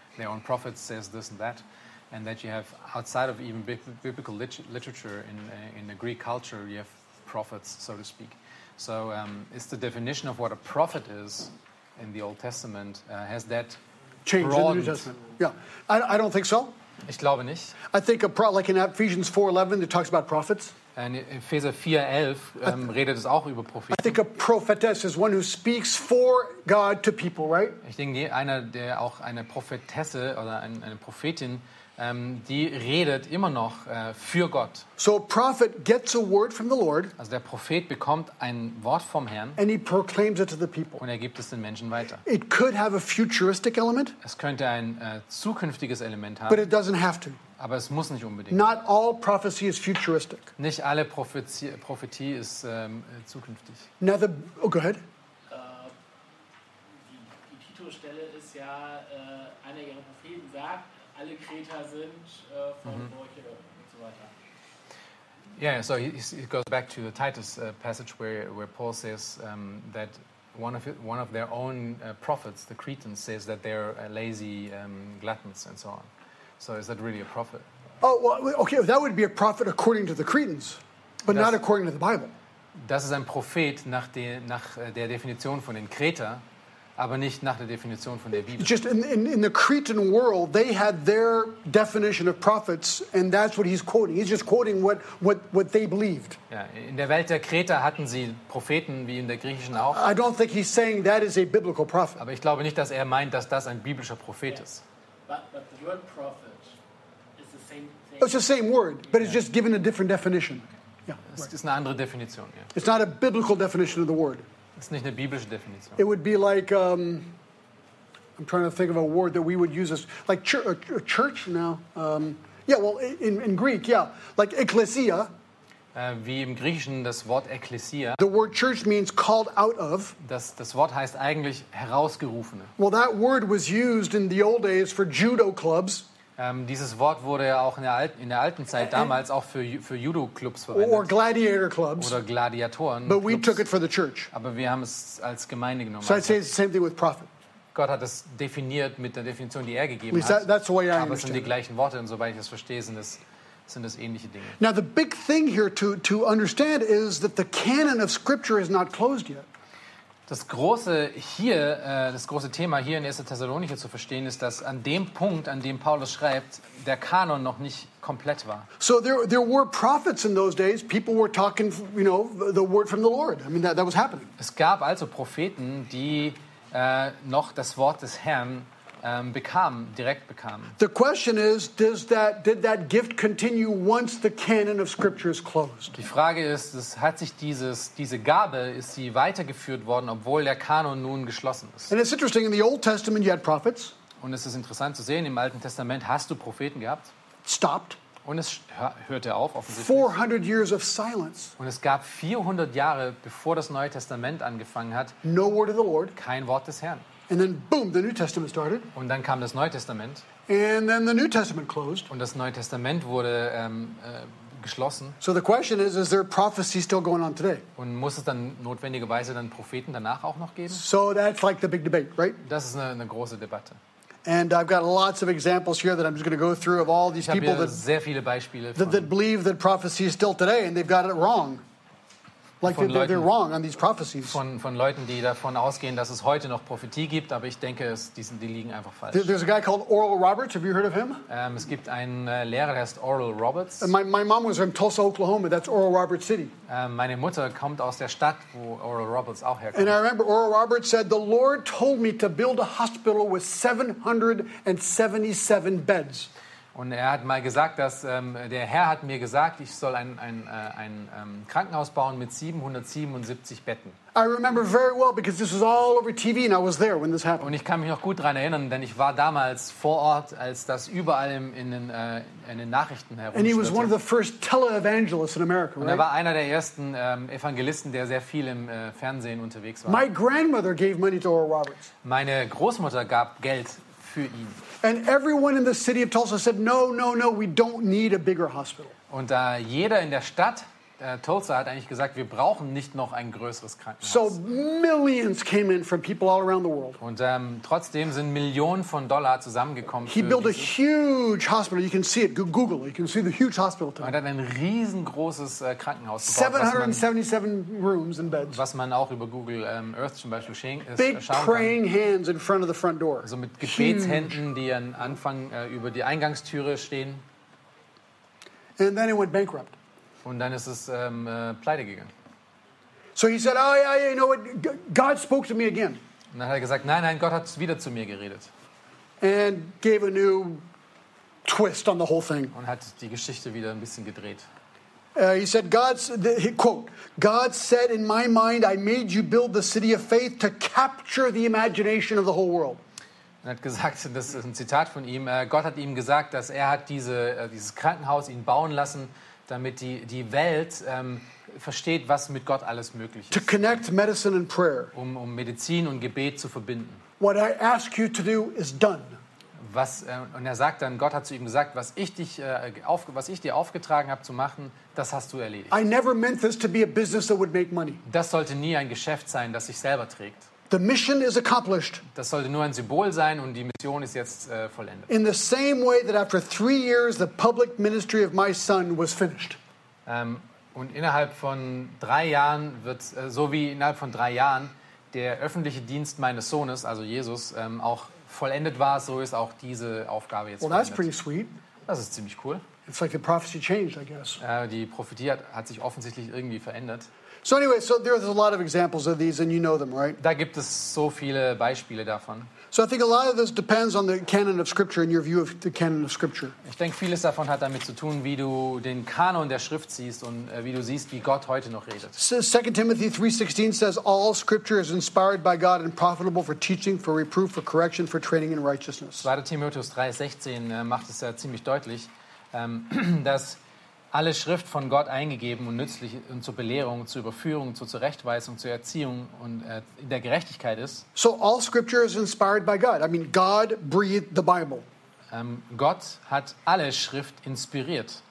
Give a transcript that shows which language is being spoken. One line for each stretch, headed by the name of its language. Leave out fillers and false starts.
English: Their own prophet says this and that. And that you have outside of even biblical literature in the Greek culture, you have prophets, so to speak. So it's the definition of what a prophet is in the Old Testament, has that changed broadened? In the New Testament? Yeah, I don't think so.
German: Ich glaube nicht.
English: I think like in Ephesians 4:11, it talks about prophets.
German: And in Epheser 4:11, redet es auch über Propheten.
English: I think a prophetess is one who speaks for God to people, right?
German: Ich denke, einer, der auch eine Prophetesse oder eine Prophetin, die redet immer noch für Gott.
English: So a prophet gets a word from the Lord.
German: Also der Prophet bekommt ein Wort vom Herrn.
English: And he proclaims it to the people.
German: Und er gibt es den Menschen weiter.
English: It could have a futuristic element.
German: Es könnte ein zukünftiges Element haben.
English: But it doesn't have to.
German: Aber es muss nicht unbedingt.
English: Not all prophecy is futuristic.
German: Nicht alle Prophetie ist zukünftig.
English: Now the, oh, go ahead.
German: Die Titusstelle ist ja, einer ihrer Propheten sagt, alle Kreter sind von Beuche und so weiter.
English: Yeah, so it goes back to the Titus passage where Paul says that one of their own prophets, the Cretans, says that they're lazy gluttons and so on. So is that really a prophet? Oh, well, okay, that would be a prophet according to the Cretans, but not according to the Bible.
German: Das ist ein Prophet nach der Definition von den Kreter, aber nicht nach der Definition von der Bibel.
English: Just in the Cretan world, they had their definition of prophets, and that's what he's quoting. He's just quoting what they believed.
German: Ja, in der Welt der Kreter hatten sie Propheten, wie in der griechischen auch.
English: I don't think he's saying that is a biblical prophet.
German: Aber ich glaube nicht, dass er meint, dass das ein biblischer Prophet ist.
English: But the word prophet is the same thing. Oh, it's the same word, but it's just given a different definition.
German: Yeah, es ist eine andere Definition. Ja.
English: It's not a biblical definition of the word.
German: Es ist nicht eine biblische Definition.
English: It would be like, I'm trying to think of a word that we would use as, like church now. Yeah, well, in Greek, yeah, like ekklesia.
German: Wie im Griechischen das Wort ekklesia.
English: The word church means called out of.
German: Das Wort heißt eigentlich herausgerufene.
English: Well, that word was used in the old days for judo clubs.
German: Dieses Wort wurde ja auch in der alten Zeit damals auch für Judo-Clubs verwendet.
English: Or gladiator clubs.
German: Oder Gladiatoren.
English: But we took it for the church.
German: Aber wir haben es als Gemeinde genommen.
English: So I'd say it's the same thing with prophet.
German: Gott hat es definiert mit der Definition, die er gegeben
English: hat. That's the way I understand.
German: Aber es sind die gleichen Worte, und soweit ich das verstehe, sind das ähnliche Dinge.
English: Now the big thing here to understand is that the canon of scripture is not closed yet.
German: Das große Thema hier in 1. Thessalonicher zu verstehen ist, dass an dem Punkt, an dem Paulus schreibt, der Kanon noch nicht komplett war.
English: So there were prophets in those days. People were talking, you know, the word from the Lord. I mean, that was happening.
German: Es gab also Propheten, die noch das Wort des Herrn direkt bekamen.
English: The question is, did that gift continue once the canon of scripture is closed?
German: Die Frage ist, hat sich diese Gabe, ist sie weitergeführt worden, obwohl der Kanon nun geschlossen ist?
English: And it's interesting, in the Old Testament you had prophets.
German: Und es ist interessant zu sehen, im Alten Testament hast du Propheten gehabt.
English: Stopped.
German: Und es hörte auf, offensichtlich.
English: 400 years of silence.
German: Und es gab 400 Jahre, bevor das Neue Testament angefangen hat.
English: No word of the Lord.
German: Kein Wort des Herrn.
English: And then, boom, the New Testament started.
German: Und dann kam das Neue Testament.
English: And then the New Testament closed.
German: Und das Neue Testament wurde geschlossen.
English: So the question is there prophecy still going on today?
German: Und muss es dann notwendigerweise dann Propheten danach auch noch geben?
English: So that's like the big debate, right?
German: Das ist eine große Debatte.
English: And I've got lots of examples here that I'm just going to go through of all these people that believe that prophecy is still today and they've got it wrong. Like they're wrong on these prophecies.
German: Von Leuten, die davon ausgehen, dass es heute noch Prophetie gibt, aber ich denke, die liegen einfach falsch.
English: There's a guy called Oral Roberts. Have you heard of him?
German: Es gibt einen Lehrer, der heißt Oral Roberts.
English: My mom was from Tulsa, Oklahoma. That's Oral Roberts City.
German: Meine Mutter kommt aus der Stadt, wo Oral Roberts auch herkommt.
English: And I remember Oral Roberts said, "The Lord told me to build a hospital with 777 beds."
German: Und er hat mal gesagt, dass der Herr hat mir gesagt, ich soll ein Krankenhaus bauen mit 777 Betten.
English: I remember very well because this was all over TV and I was there when this happened.
German: Und ich kann mich noch gut daran erinnern, denn ich war damals vor Ort, als das überall in den Nachrichten herumschwirrte.
English: And he was one of the first televangelists in America, right?
German: Und er war einer der ersten Evangelisten, der sehr viel im Fernsehen unterwegs war.
English: My grandmother gave money to Oral Roberts.
German: Meine Großmutter gab Geld für ihn.
English: And everyone in the city of Tulsa said, "No, no, no, we don't need a bigger hospital."
German: Und jeder in der Stadt Tulsa hat eigentlich gesagt, wir brauchen nicht noch ein größeres Krankenhaus.
English: So millions came in from people all around the world.
German: Und trotzdem sind Millionen von Dollar zusammengekommen.
English: He built a huge hospital. You can see it. Google it. You can see the huge hospital.
German: Und hat ein riesengroßes Krankenhaus gebaut.
English: 777 rooms and beds.
German: Was man auch über Google Earth zum Beispiel schauen kann.
English: Big praying hands in front of the front door.
German: Also mit Gebetshänden, die am Anfang über die Eingangstüre stehen.
English: And then it went bankrupt.
German: Und dann ist es pleite gegangen.
English: So he said, "Oh yeah, you know what? God spoke to me again."
German: Und dann hat er gesagt, nein, nein, Gott hat wieder zu mir geredet.
English: And gave a new twist on the whole thing.
German: Und hat die Geschichte wieder ein bisschen gedreht.
English: He said, "God said in my mind, I made you build the city of faith to capture the imagination of the whole world."
German: Und hat gesagt, das ist ein Zitat von ihm. Gott hat ihm gesagt, dass er hat dieses Krankenhaus ihn bauen lassen, damit die Welt versteht, was mit Gott alles möglich ist.
English: To connect medicine and prayer.
German: Um Medizin und Gebet zu verbinden.
English: What I ask you to do is done.
German: Und er sagt dann, Gott hat zu ihm gesagt, was ich dir aufgetragen habe zu machen, das hast du erledigt.
English: I never meant this to be a business that would make money.
German: Das sollte nie ein Geschäft sein, das sich selber trägt.
English: The mission is accomplished.
German: Das sollte nur ein Symbol sein und die Mission ist jetzt vollendet.
English: In the same way that after 3 years the public ministry of my son was finished.
German: Und innerhalb von 3 Jahren wird so wie innerhalb von 3 Jahren der öffentliche Dienst meines Sohnes, also Jesus, auch vollendet war, so ist auch diese Aufgabe jetzt vollendet.
English: Well, that's pretty sweet.
German: Das ist ziemlich cool.
English: It's like the prophecy changed, I guess.
German: Die Prophetie hat sich offensichtlich irgendwie verändert.
English: So anyway, so there's a lot of examples of these, and you know them, right?
German: Da gibt es so viele Beispiele davon.
English: So I think a lot of this depends on the canon of Scripture and your view of the canon of Scripture.
German: Ich denke, vieles davon hat damit zu tun, wie du den Kanon der Schrift siehst und wie du siehst, wie Gott heute noch redet.
English: 2 Timothy 3:16 says, "All Scripture is inspired by God and profitable for teaching, for reproof, for correction, for training in righteousness."
German: 2 Timotheus 3:16 macht es ja ziemlich deutlich, dass alle Schrift von Gott eingegeben und nützlich und zur Belehrung, zur Überführung, zur Zurechtweisung, zur Erziehung und in der Gerechtigkeit ist.
English: So all Scripture is inspired by God. I mean, God breathed the Bible.
German: Gott hat alle Schrift inspiriert.